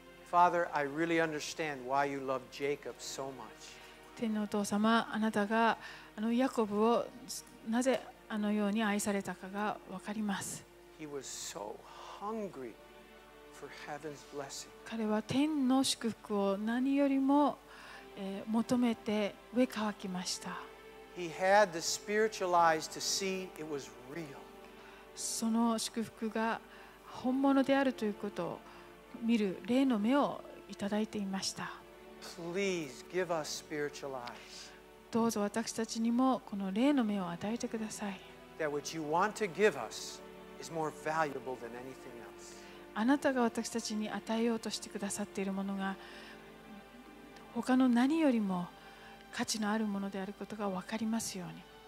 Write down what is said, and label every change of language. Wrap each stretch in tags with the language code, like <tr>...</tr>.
<en>Father, I really understand why you love Jacob so much.</en> <ja>天のお父様、あなたがあのヤコブをなぜあのように愛されたかが分かります。</ja> <en>He was so hungry for heaven's blessing.</en> <ja>彼は天の祝福を何よりも、求めて上渇きました。</ja> <en>He had the spiritual eyes to see it was real.</en> <ja>その祝福が本物であるということを見る霊の目をいただいていました。</ja> <en>Please give us spiritual eyes.</en> <ja>どうぞ私たちにもこの霊の目を与えてください。</ja> <en>That what you want to give us is more valuable than anything else.</en> <ja>あなたが私たちに与えようとしてくださっているものが他の何よりも価値のあるものであることが分かりますように。</ja>